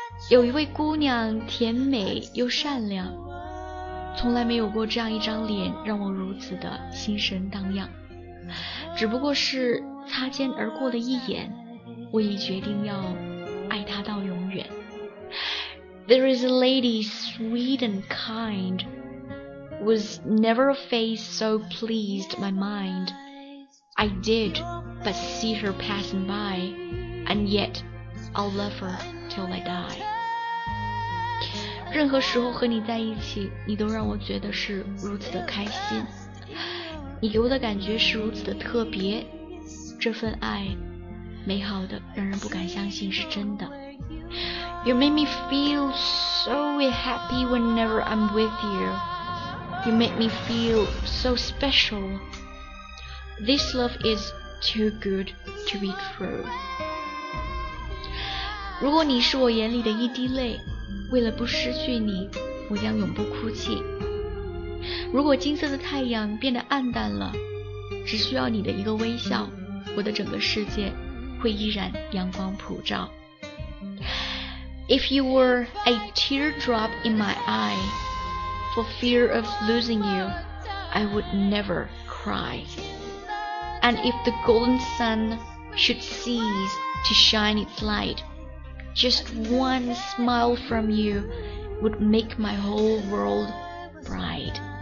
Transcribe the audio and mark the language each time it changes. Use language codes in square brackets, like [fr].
[zh] 有一位姑娘甜美又善良，从来没有过这样一张脸让我如此的心神荡漾，只不过是擦肩而过的一眼，我已决定要爱她到永远。 [en] There is a lady sweet and kind was never a face so pleased my mind. I did but see her passing by, and yet I'll love her till I die. [zh] 任何时候和你在一起，你都让我觉得是如此的开心，你给我的感觉是如此的特别，这份爱美好的让人不敢相信是真的。 [en] You make me feel so happy whenever I'm with you. You make me feel so special. This love is too good to be true. [zh] 如果你是我眼里的一滴泪，为了不失去你，我将永不哭泣。如果金色的太阳变得暗淡了，只需要你的一个微笑，我的整个世界会依然阳光普照。 [en] If you were a teardrop in my eye, for fear of losing you, I would never cry. And if the golden sun should cease to shine its light,Just one smile from you would make my whole world bright.